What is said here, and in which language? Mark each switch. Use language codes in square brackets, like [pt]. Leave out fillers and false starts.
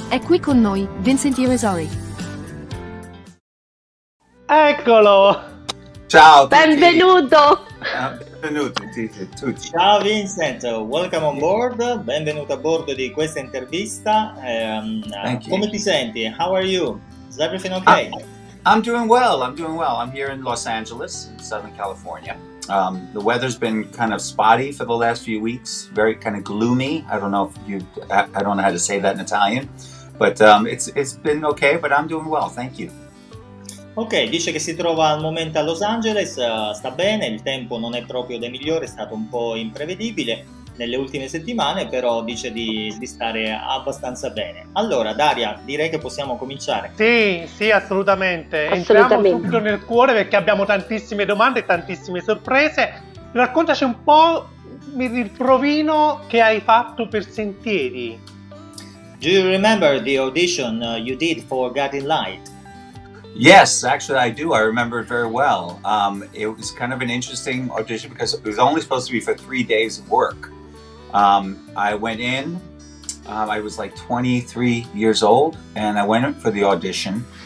[it] È qui con noi, Vincent Irisari. Eccolo! Ciao a tutti! Benvenuto! Benvenuti tutti! Ciao Vincent, [en] welcome on board, [it] benvenuto a bordo di questa intervista. Come ti senti? [en] How are you? Is everything okay? I'm doing well. I'm here in Los Angeles, in Southern California. The weather's been kind of spotty for the last few weeks, very kind of gloomy. I don't know how to say that in Italian, but it's been okay, but I'm doing well, thank you. [it] Ok, dice che si trova al momento a Los Angeles, sta bene, il tempo non è proprio dei migliori, è stato un po' imprevedibile nelle ultime settimane, però dice di stare abbastanza bene. Allora, Daria, direi che possiamo cominciare. Sì, assolutamente. Entriamo subito nel cuore perché abbiamo tantissime domande e tantissime sorprese. Raccontaci un po' il provino che hai fatto per Sentieri. [en] Do you remember the audition you did for Guiding Light? Yes, actually I do. I remember it very well. It was kind of an interesting audition because it was only supposed to be for 3 days of work. I went in, I was like 23 years old, and I went in for the audition.